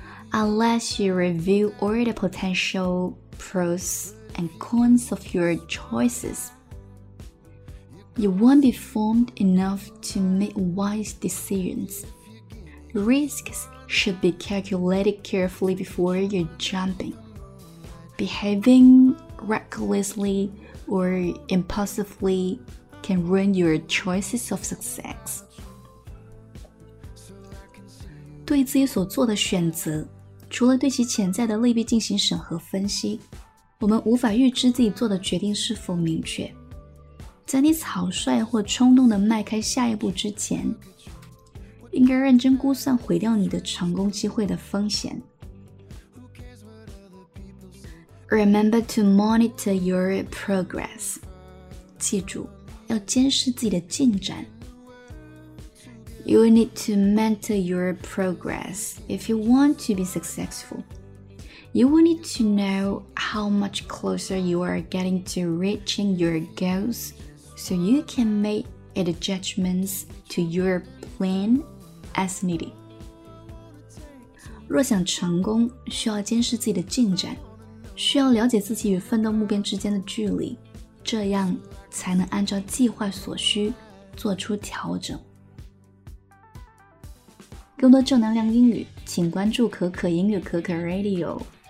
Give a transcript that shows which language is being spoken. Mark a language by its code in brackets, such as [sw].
[en] Unless you review all the potential pros and cons of your choices, you won't be informed enough to make wise decisions. Risks should be calculated carefully before you're jumping. Behaving recklessly or impulsively can ruin your choices of success. [zh] 对自己所做的选择，除了对其潜在的利弊进行审核分析，我们无法预知自己做的决定是否明确。在你草率或冲动地迈开下一步之前，应该认真估算毁掉你的成功机会的风险。 [en] Remember to monitor your progress. [zh] 记住，要监视自己的进展。 [en] You need to mentor your progress if you want to be successful. You will need to know how much closer you are getting to reaching your goals so you can make adjustments to your plan as needed. [zh] 若想成功，需要监视自己的进展，需要了解自己与奋斗目标之间的距离，这样才能按照计划所需做出调整。更多正能量英语，请关注可可英语可可 Radio。